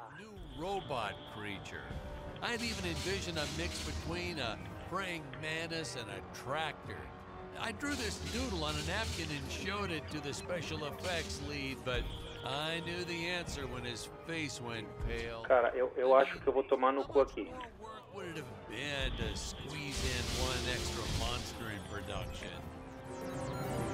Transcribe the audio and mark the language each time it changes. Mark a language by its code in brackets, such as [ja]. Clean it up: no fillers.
[en] New robot creature. I'd even envision a mix between a praying mantis and a tractor. I drew this doodle on a napkin and showed it to the special effects lead, but I knew the answer when his face went pale. [pt] Cara, eu acho que eu vou tomar no cu aqui. [en] What would it have been to squeeze in one extra monster in production?